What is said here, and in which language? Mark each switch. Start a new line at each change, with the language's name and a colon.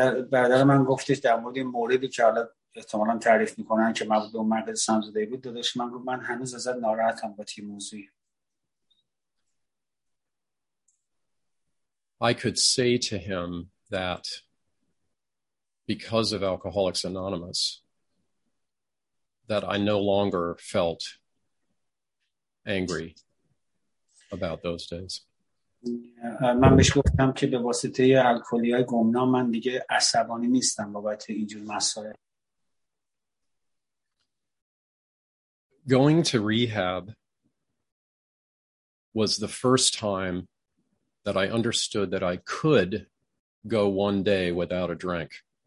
Persian: برادر من گفتش در مورد موردی که حالا احتمالاً تعریف میکنن که مربوط به مرکز سمزدایی بود. داداش من گفت من هنوز ازت ناراحتم با این موضوع.
English: I could say to him that because of Alcoholics Anonymous that I no longer felt angry about those days.
Persian: من بهش گفتم که به واسطه الکلی‌های گمنام من دیگه عصبانی نیستم بابت اینجور مسائل.
English: Going to rehab was the first time that I understood that I could go one day without a drink.